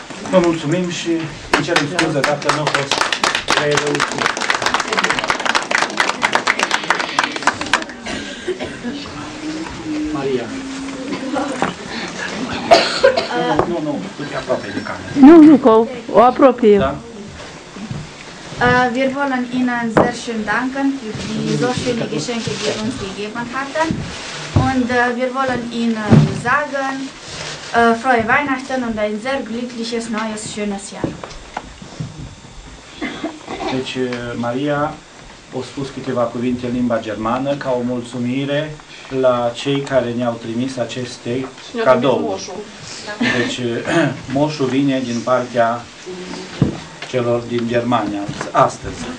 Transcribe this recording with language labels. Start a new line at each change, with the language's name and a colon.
Romanian: Vă mulțumim și îmi cer scuze dacă nu a fost prea reușit. Maria. Nu, du-te aproape de cameră. Nu, că o apropie. Da?
German: Wir wollen Ihnen sehr schön danken für die so schönen Geschenke, die uns gegeben hatten. Und wir wollen Ihnen sagen, frohe Weihnachten und ein sehr glückliches, neues, schönes Jahr.
Romanian: Deci, Maria a spus câteva cuvinte în limba germană ca o mulțumire la cei care ne-au trimis aceste cadouri. Deci, moșul vine din partea celor din Germania, astăzi.